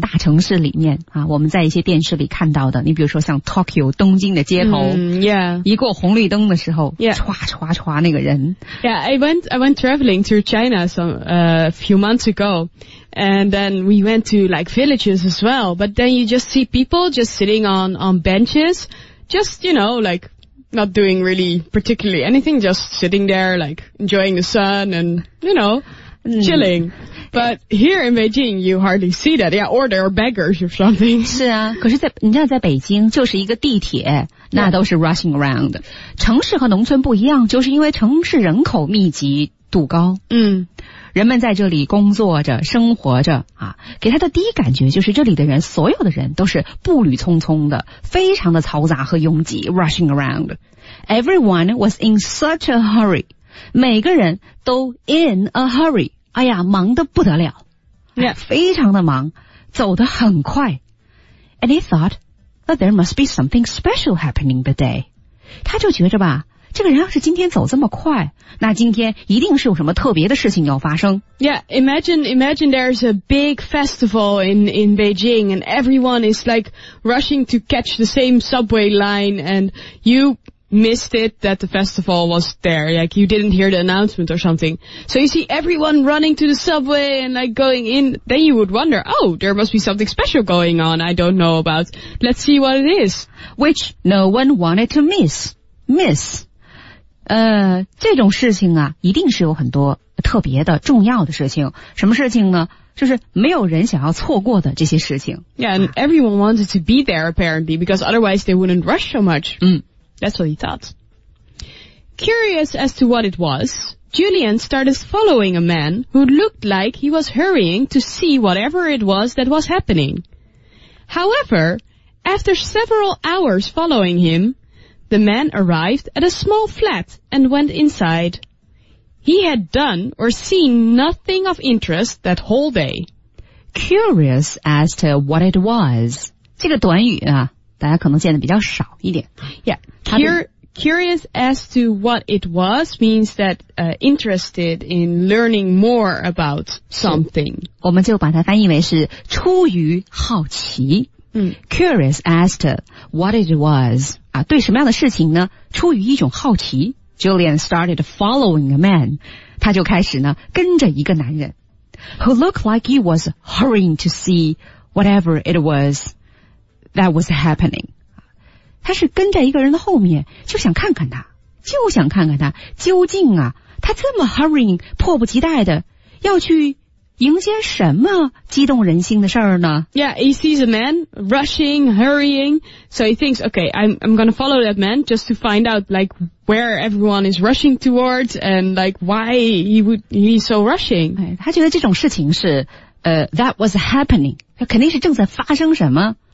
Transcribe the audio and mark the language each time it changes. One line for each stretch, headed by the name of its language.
Chinese: 大城市里面啊，我们在一些电视里看到的，你比如说像 Tokyo 东京的街头、
English: yeah.
Chinese: 一过红绿灯的时候、
English: yeah.
Chinese: 刷刷刷那个人。
English: Yeah, I went traveling to China a few months ago, and then we went to like villages as well, but then you just see people just sitting on benches, just, you know, like,not doing really particularly anything, just sitting there, like, enjoying the sun and, you know, chilling. But here in Beijing, you hardly see that. Yeah, or there are beggars or something.
Chinese: 是啊，可是在你知道在北京就是一个地铁，那都是
English: rushing around。
Chinese: 城市和农村不一样，就是因为城市人口密集度高。人们在这里工作着，生活着啊，给他的第一感觉就是这里的人，所有的人都是步履匆匆的，非常的嘈杂和拥挤 ，
English: rushing around. Everyone was in such a hurry.
Chinese: 每个人都
English: in a hurry.
Chinese: 哎呀，忙得不得了、
English: yeah.
Chinese: 非常的忙，走得很快。
English: And he thought that there must be something special happening today.
Chinese: 他就觉着吧。这个人要是今天走这么快，那今天一定是有什么特别的事情要发生。
English: Yeah, imagine there's a big festival in Beijing and everyone is like rushing to catch the same subway line and you missed it that the festival was there. Like you didn't hear the announcement or something. So you see everyone running to the subway and like going in, then you would wonder, oh, there must be something special going on I don't know about. Let's see what it is. Which no one wanted to miss. Miss.
Chinese: 这种事情啊一定是有很多特别的重要的事情。什么事情呢？就是没有人想要错过的这些事情。
English: Yeah, and everyone wanted to be there apparently because otherwise they wouldn't rush so much. That's what he thought. Curious as to what it was, Julian started following a man who looked like he was hurrying to see whatever it was that was happening. However, after several hours following him,The man arrived at a small flat and went inside. He had done or seen nothing of interest that whole day. Curious as to what it was.
Chinese: 这个短语啊，大家可能见得比较少一点。
English: Yeah, curious as to what it was means that interested in learning more about something.
Chinese: 我们就把它翻译为是出于好奇。
English: Curious as to what it was.
Chinese: 啊，对什么样的事情呢？出于一种好奇
English: ，Julian started following a man.
Chinese: 他就开始呢跟着一个男人
English: ，who looked like he was hurrying to see whatever it was that was happening.
Chinese: 他是跟着一个人的后面，就想看看他究竟啊，他这么 hurrying 迫不及待的要去。迎接什么激动人心的事儿呢
English: ？Yeah, he sees a man rushing, hurrying, so he thinks, okay, I'm gonna follow that man just to find out like where everyone is rushing towards and like why he's so rushing.
Chinese: 他觉得这种事情是
English: that was happening,
Chinese: 肯定是正在发生什么。